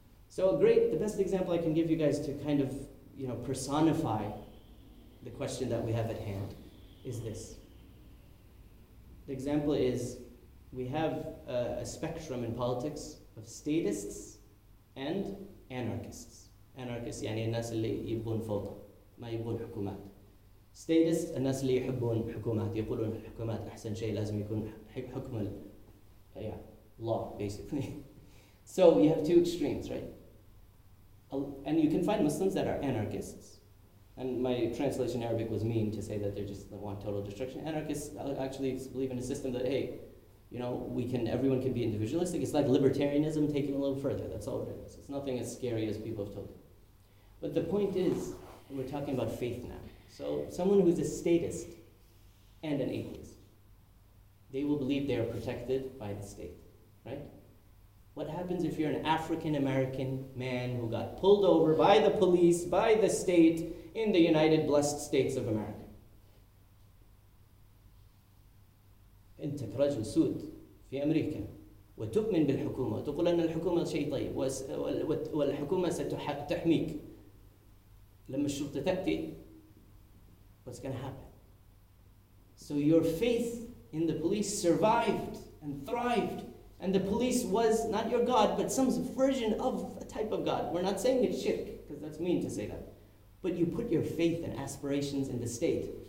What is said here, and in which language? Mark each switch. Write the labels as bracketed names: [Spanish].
[English] So great, the best example I can give you guys to kind of, you know, personify the question that we have at hand is this. The example is, we have a spectrum in politics of statists and anarchists. [Arabic] Anarchists, يعني الناس اللي يبون فوضى, ما يبون حكومات. Statists, الناس اللي يحبون حكومات, يقولون حكومات أحسن شيء لازم يكون حكم [English] law, basically. So you have two extremes, right? And you can find Muslims that are anarchists. And my translation in Arabic was mean to say that they're just they want total destruction. Anarchists actually believe in a system that, hey, you know, everyone can be individualistic. It's like libertarianism taken a little further. That's all it is. It's nothing as scary as people have told you. But the point is, we're talking about faith now. So someone who's a statist and an atheist, they will believe they are protected by the state, right? What happens if you're an African-American man who got pulled over by the police, by the state, in the United Blessed States of America? [Arabic] أنت كرجل سود في أمريكا وتؤمن بالحكومة وتقول أن الحكومة شيء طيب والحكومة ستحميك لما الشرطة تأتي. [English] What's going to happen? So your faith in the police survived and thrived. And the police was not your God, but some version of a type of God. We're not saying it's shirk, because that's mean to say that. But you put your faith and aspirations in the state.